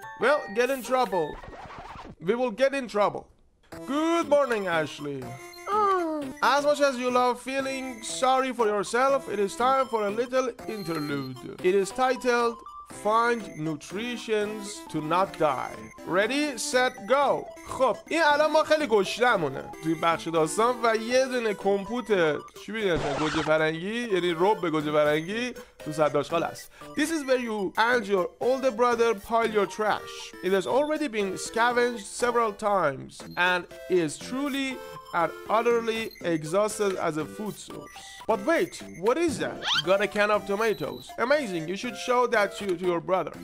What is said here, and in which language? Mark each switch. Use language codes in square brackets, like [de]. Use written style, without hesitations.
[en] Well, get in trouble. We will get in trouble. Good morning, Ashley. As much as you love feeling sorry for yourself, it is time for a little interlude. It is titled, Find Nutritions to Not Die. Ready, set, go. [fa] خب این الان ما خیلی گشنه‌مونه توی بخش داستان و یه دونه کمپوت چی می‌گن گوجه فرنگی، یعنی رب گوجه فرنگی تو صد آشغال است. [en] This is where you and your older brother pile your trash. It has already been scavenged several times and is truly and utterly exhausted as a food source. But wait, what is that? Got a can of tomatoes. Amazing, you should show that to your brother.